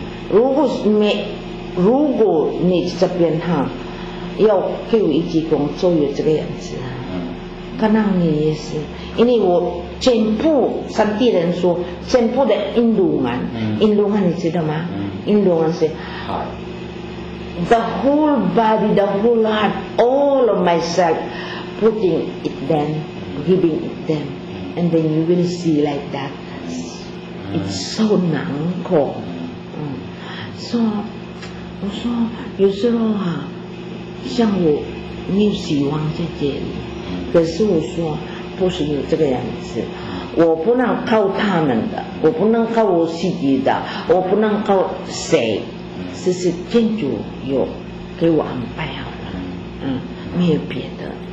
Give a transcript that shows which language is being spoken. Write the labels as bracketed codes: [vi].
[zh] 如果你这边哈，要给我一起工作有这个样子啊，看到你也是。因为我全部三地人说，全部的印度人，印度人你知道吗？印度人是， [en] the whole body, the whole heart, all of myself, putting it them, giving it them, and then you will see like that. It's so [zh] 难过。 So, 我说有时候哈，像我没有希望在这里，可是我说。不是有这个样子，我不能靠他们的，我不能靠我自己的，我不能靠谁，这是天主有给我安排好了，没有别的。